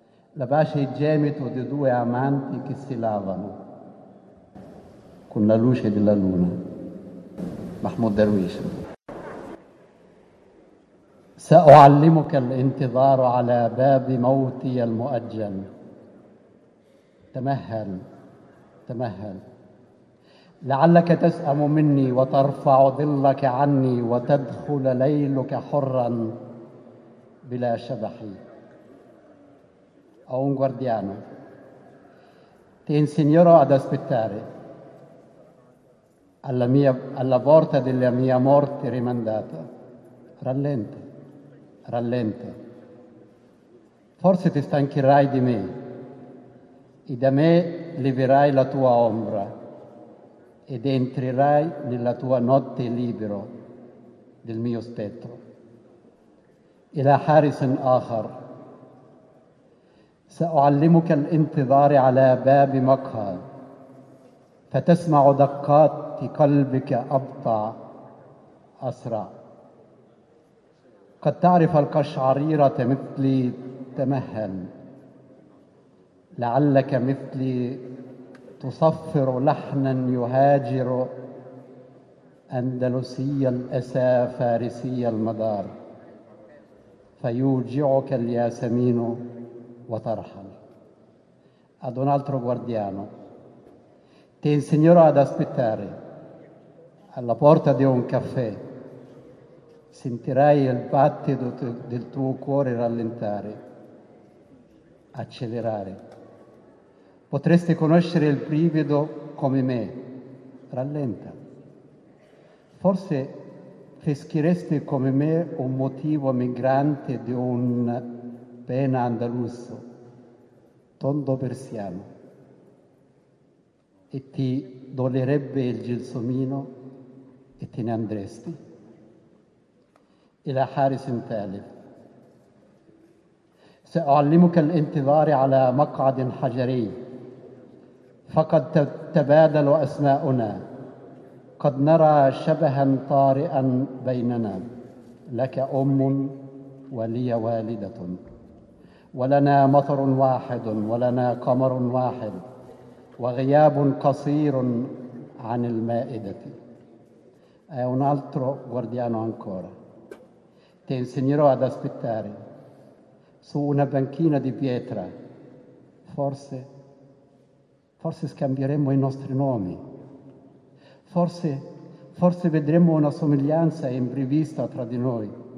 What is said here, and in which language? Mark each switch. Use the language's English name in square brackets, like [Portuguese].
[Italian] La pace è il gemito di due amanti che si lavano con la luce della luna. Mahmoud Darwish. [Arabic] سأعلمك الانتظار على باب موتي المؤجل. تمهل تمهل لعلك تسأم مني وترفع ظلك عني وتدخل ليلك حرا بلا شبح. [Italian] A un guardiano, ti insegnerò ad aspettare alla porta della mia morte rimandata. Rallenta, rallenta. Forse ti stancherai di me e da me leverai la tua ombra ed entrerai nella tua notte libero del mio spettro. [Arabic] Ila harisin akhar. سأعلمك الانتظار على باب مقهى فتسمع دقات قلبك أبطا أسرع. قد تعرف القشعريرة مثلي تمهل لعلك مثلي تصفر لحنا يهاجر أندلسي الأسى فارسي المدار فيوجعك الياسمين وترحل. [Italian] Ad un altro guardiano, ti insegnerò ad aspettare alla porta di un caffè, sentirai il battito del tuo cuore rallentare, accelerare, potresti conoscere il brivido come me, rallenta, forse peschieresti come me un motivo migrante di un pena andalusso, tondo persiano, e ti dolerebbe il gelsomino e te ne andresti. [Arabic] Ila harisin talib. سأعلمك الانتظار على مقعد حجري فقد تبادل أسماؤنا قد نرى شبها طارئا بيننا لك أم ولي والدة ولنا مطر واحد ولنا قمر واحد وغياب قصير عن المائدة. [Italian] È un altro guardiano ancora. Ti insegnerò ad aspettare su una banchina di pietra. Forse scambieremo i nostri nomi. Forse vedremo una somiglianza imprevista tra di noi.